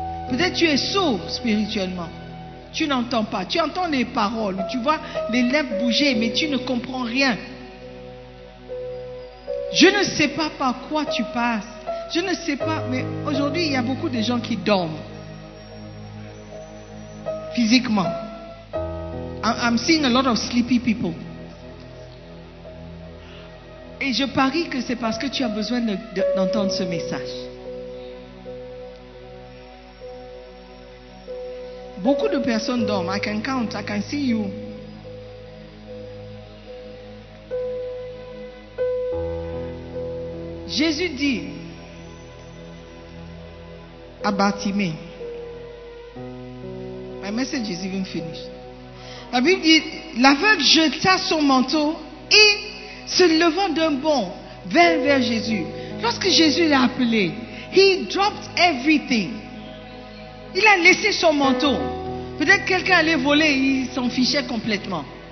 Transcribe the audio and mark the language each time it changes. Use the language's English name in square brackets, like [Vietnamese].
[French] Peut-être tu es sourd spirituellement. Tu n'entends pas. Tu entends les paroles. Tu vois les lèvres bouger, mais tu ne comprends rien. Je ne sais pas par quoi tu passes. Je ne sais pas, mais aujourd'hui, il y a beaucoup de gens qui dorment. Physiquement. [English] I'm seeing a lot of sleepy people. [French] Et je parie que c'est parce que tu as besoin d'entendre ce message. Beaucoup de personnes dorment. [English] I can count, I can see you. [French] Jésus dit à Bartimée. [English] My message is even finished. [French] La Bible dit, l'aveugle jeta son manteau et se levant d'un bond, vint vers Jésus. Lorsque Jésus l'a appelé, [English] he dropped everything. [French] Il a laissé son manteau. Peut-être quelqu'un allait voler, il s'en fichait complètement.